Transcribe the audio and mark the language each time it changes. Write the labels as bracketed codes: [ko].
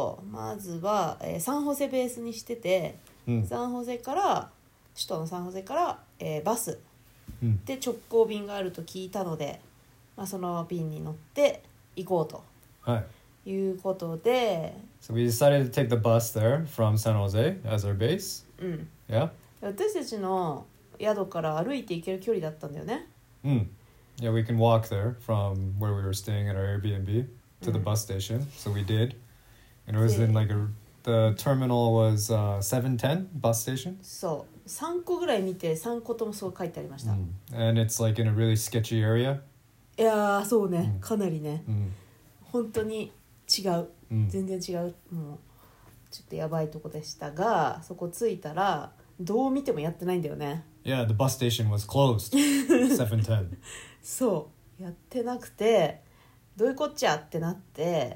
[ja] まずは、サンホセベースにしてて、うん、サンホセから、首都のサンホセから、バス、うん、で直行便があると聞いたので、まあ、その便に乗って行こうと、はい、いうことで、 [en] So we decided to take the bus there from San Jose as our base. [ja] うん。 [en] Yeah. [ja] 私たちの宿から歩いて行ける距離だったんだよね。うん。 [en] Yeah, we can walk there from where we were staying at our Airbnb to the bus station. So we did. And it was in like the terminal was 710 bus station. [ja] そう。 3個ぐらい見て、3個ともそう書いてありました。 [en] And it's like in a really sketchy area. [ja] いやー、そうね。かなりね。うん。本当に違う、うん、全然違う、もうちょっとやばいとこでしたが、そこ着いたらどう見てもやってないんだよね。 [en] Yeah, the bus station was closed 710. [ja] そう、やってなくて、どういうこっちゃってなって、